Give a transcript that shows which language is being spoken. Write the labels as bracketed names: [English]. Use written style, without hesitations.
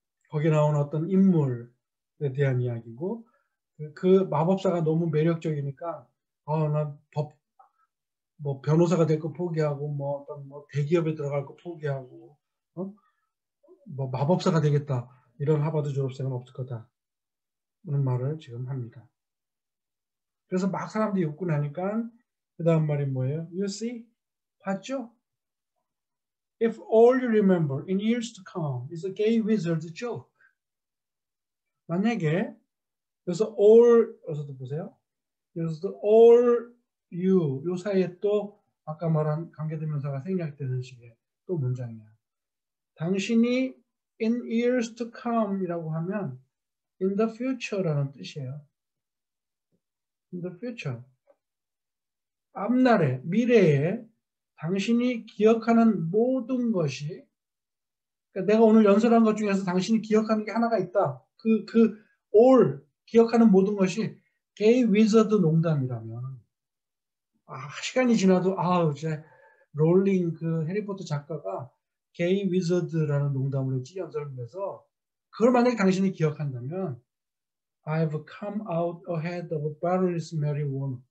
[Korean] 거기 나온 어떤 인물에 대한 이야기고 그 마법사가 너무 매력적이니까 나법뭐 변호사가 될거 포기하고 뭐 어떤 뭐 대기업에 들어갈 거 포기하고 뭐 마법사가 되겠다 이런 하버드 졸업생은 없을 거다 이런 말을 지금 합니다. 그래서 막 사람들이 웃고 나니까 그 다음 말이 뭐예요? [English] You see? [Korean] 봤죠? [English] If all you remember in years to come is a gay wizard joke. [Korean] 만약에 여기서 all 어서도 보세요. 여기서도 [English] all you [Korean] 요 사이에 또 아까 말한 관계대명사가 생략되는 식의 또 문장이야. 당신이 [English] In years to come이라고 하면 in the future라는 뜻이에요. In the future. [Korean] 앞날에, 미래에 당신이 기억하는 모든 것이 그러니까 내가 오늘 연설한 것 중에서 당신이 기억하는 게 하나가 있다. 그 all 기억하는 모든 것이 게이 윈서도 농담이라면, 시간이 지나도, 이제, 롤링 그 해리포터 작가가 게이 위저드라는 농담으로 찌어들면서 그걸 만약에 당신이 기억한다면 [English] I've come out ahead of Baroness Mary Warnock.